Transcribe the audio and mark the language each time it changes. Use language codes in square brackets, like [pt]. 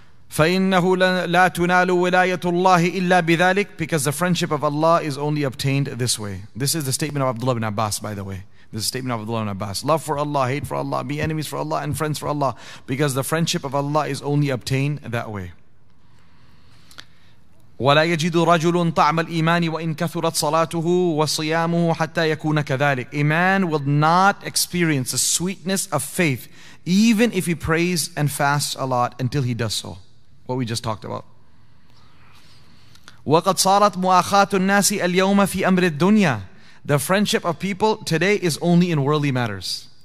[ar] فإنه لا تنال ولاية الله إلا بذلك, [en] because the friendship of Allah is only obtained this way. This is the statement of Abdullah ibn Abbas, by the way. This is the statement of Abdullah ibn Abbas. Love for Allah, hate for Allah, be enemies for Allah, and friends for Allah, because the friendship of Allah is only obtained that way. [ar] ولا يجد رجل طعم الإيمان وإن كثرت صلاته وصيامه حتى يكون كذلك. [en] A man will not experience the sweetness of faith even if he prays and fasts a lot until he does so. What we just talked about. [ar] وَقَدْ صَارَتْ مُؤَاخَاتُ النَّاسِ الْيَوْمَ فِي أَمْرِ الدُّنْيَا. [en] The friendship of people today is only in worldly matters.